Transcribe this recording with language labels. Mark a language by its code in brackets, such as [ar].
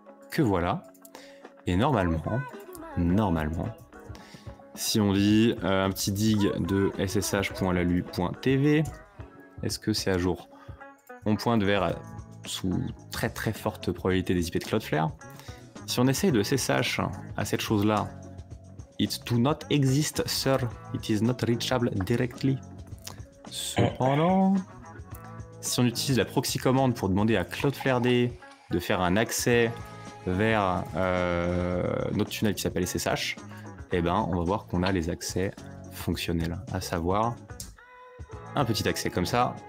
[fr] Que voilà. Et normalement, si on dit un petit dig de ssh.lalu.tv, est-ce que c'est à jour? On pointe vers sous très très forte probabilité des IP de Cloudflare. Si on essaye de SSH à cette chose-là, [en] it do not exist, sir. It is not reachable directly. [fr] Cependant, si on utilise la proxy commande pour demander à CloudflareD de faire un accès vers notre tunnel qui s'appelle SSH, eh ben, on va voir qu'on a les accès fonctionnels, à savoir un petit accès comme ça.